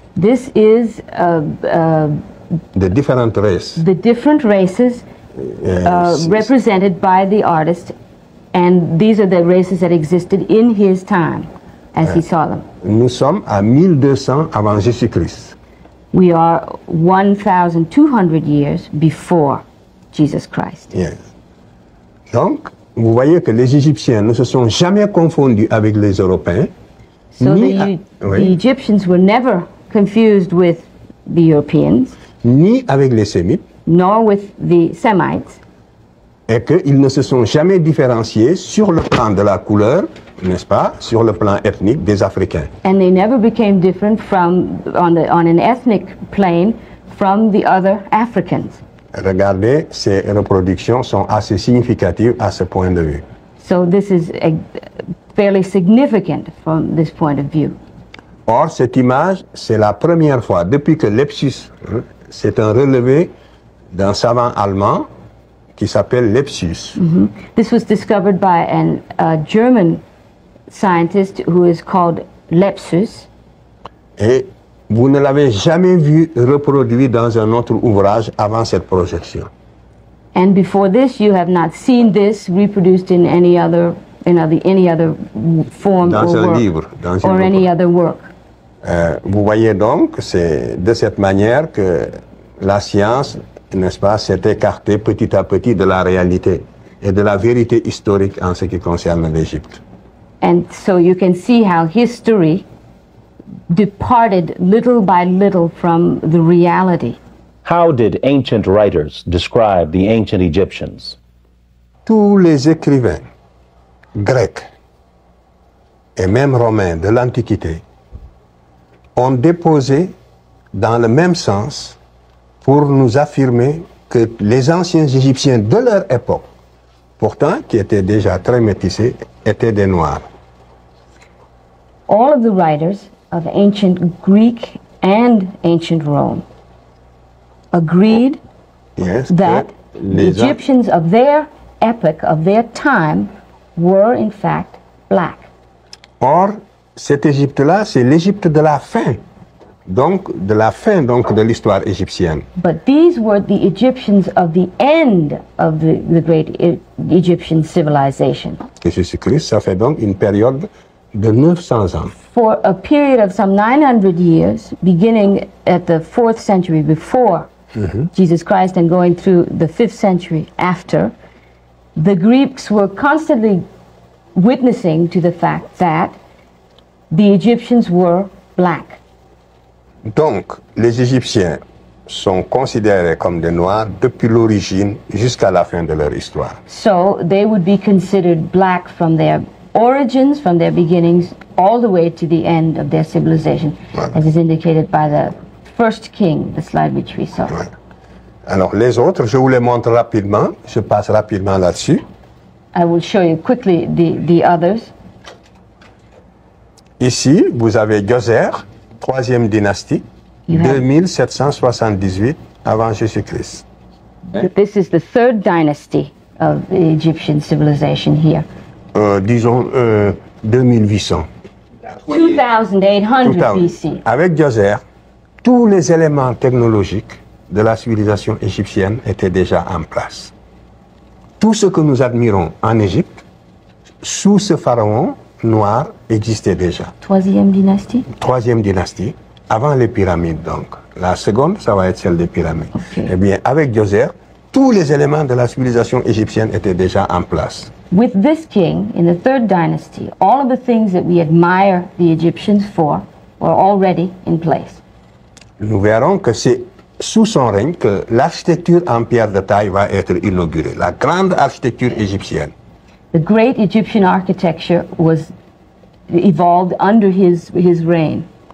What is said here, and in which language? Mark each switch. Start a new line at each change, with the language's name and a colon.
English: This is the different races. The different races represented by the artist, and these are the races that existed in his time, as he saw them.
French: Nous sommes à 1200 avant Jésus-Christ.
English: We are 1,200 years before Jesus Christ. Yes.
French: Donc, vous voyez que les Égyptiens ne se sont jamais confondus avec les Européens.
English: So the Egyptians were never confused with the Europeans.
French: Ni avec les Sémites.
English: Nor with the Semites.
French: Et qu'ils ne se sont jamais différenciés sur le plan de la couleur, n'est-ce pas, sur le plan ethnique des Africains.
English: And they never became different from on an ethnic plane from the other Africans.
French: Regardez, ces reproductions sont assez significatives à ce point de vue.
English: So this is fairly significant from this point of view.
French: Or, cette image, c'est la première fois depuis que Lepsius, c'est un relevé d'un savant allemand qui s'appelle Lepsius. Mm-hmm.
English: This was discovered by a German scientist who is called Lepsius.
French: Et vous ne l'avez jamais vu reproduit dans un autre ouvrage avant cette projection.
English: And before this, you have not seen this reproduced in any other, form
French: dans
English: or work,
French: livre, dans
English: or any other work.
French: Vous voyez donc, c'est de cette manière que la science, n'est-ce pas, s'est écartée petit à petit de la réalité et de la vérité historique en ce qui concerne l'Égypte.
English: And so you can see how history departed little by little from the reality. How did ancient writers describe the ancient Egyptians?
French: Tous les écrivains grecs et même romains de l'Antiquité ont déposé dans le même sens pour nous affirmer que les anciens Égyptiens de leur époque, pourtant qui étaient déjà très métissés, étaient des Noirs.
English: All of the writers of ancient Greek and ancient Rome agreed that the Egyptians of their epoch, of their time, were in fact black.
French: Or, cette Égypte-là, c'est l'Égypte de la fin, donc de l'histoire égyptienne.
English: But these were the Egyptians of the end of the great Egyptian civilization.
French: Jésus-Christ, ça fait donc une période de 900 ans.
English: For a period of some 900 years, beginning at the 4th century before Jesus Christ and going through the 5th century after, the Greeks were constantly witnessing to the fact that the Egyptians were black.
French: Donc, les Égyptiens sont considérés comme des Noirs depuis l'origine jusqu'à la fin de leur histoire.
English: So, they would be considered black from their origins, from their beginnings, all the way to the end of their civilization, as is indicated by the first king, the slide which we saw.
French: Voilà. Alors, les autres, je vous les montre rapidement, je passe rapidement là-dessus.
English: I will show you quickly the others.
French: Ici, vous avez Djoser, 3e dynastie, 2778 avant Jésus-Christ.
English: This is the third dynasty of the Egyptian civilization here.
French: Disons 2800.
English: 2800 BC.
French: Avec Djoser, tous les éléments technologiques de la civilisation égyptienne étaient déjà en place. Tout ce que nous admirons en Égypte, sous ce pharaon noir, existait déjà. Troisième dynastie, avant les pyramides donc. La seconde, ça va être celle des pyramides. Okay. Eh bien, avec Djoser, tous les éléments de la civilisation égyptienne étaient déjà en place.
English: With this king, in the third dynasty, all of the things that we admire the Egyptians for were already in place.
French: Nous verrons que c'est sous son règne que l'architecture en pierre de taille va être inaugurée, la grande architecture égyptienne.
English: The great Egyptian architecture was evolved under his reign.